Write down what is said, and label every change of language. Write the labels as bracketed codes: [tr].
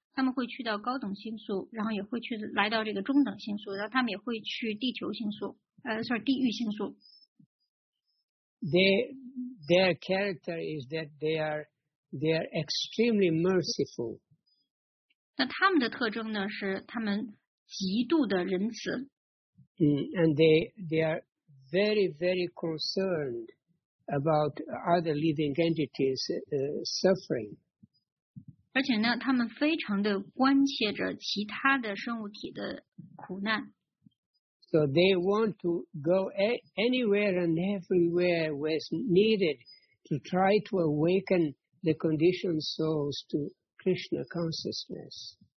[zh] 他们会去到高等星宿，然后也会去来到这个中等星宿，然后他们也会去地球星宿，地狱星宿。 [en] their character is that they are extremely merciful. [zh] 那他们的特征呢，是他们极度的仁慈。 [en] And they are very, very concerned about other living entities suffering. [zh] 而且呢，他们非常的关切着其他的生物体的苦难。 [en] So they want to go anywhere and everywhere where's needed to try to awaken the conditioned souls to Krishna consciousness.